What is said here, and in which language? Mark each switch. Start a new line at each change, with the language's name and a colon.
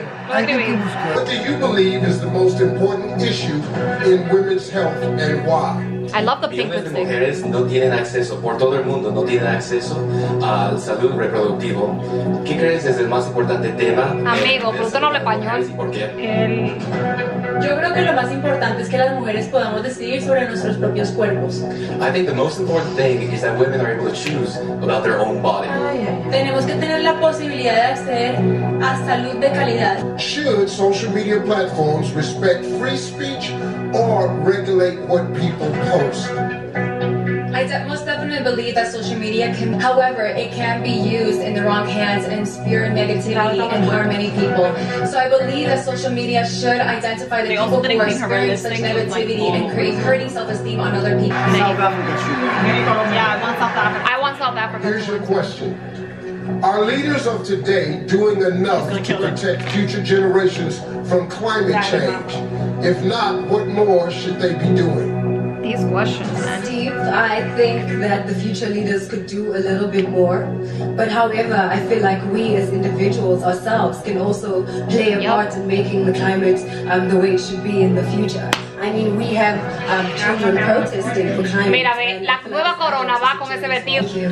English: What do you believe is the most important issue in women's health and why? I love the pink lipstick.
Spanish: Mujeres no tienen acceso por todo el mundo, no tienen acceso a salud reproductivo. ¿Qué crees es el más importante tema? Amigo, ¿por qué no hablo español? ¿Por qué? Yo creo que lo más importante es que las mujeres podamos decidir sobre nuestros propios cuerpos.
English: I think the most important thing is that women are able to choose about their own body.
Spanish: Tenemos que tener la posibilidad de acceder a salud de calidad.
English: Should social media platforms respect free speech or regulate what people post? I most definitely believe that social media can, however, it can be used in the wrong hands and spew negativity and harm many people. So I believe that social media should identify the people who are spewing such negativity and create hurting self-esteem on other people. South Africa. Yeah, I want South Africa. I want South Africa. Here's your question. Are leaders of today doing enough to protect future generations from climate change? If not, what more should they be doing? These questions. Steve, I think that the future leaders could do a little bit more. But however, I feel like we as individuals ourselves can also play a part in making the climate the way it should be in the future. I mean, we have children protesting for climate.
Spanish: Mira, ve, la nueva corona va con ese vestido.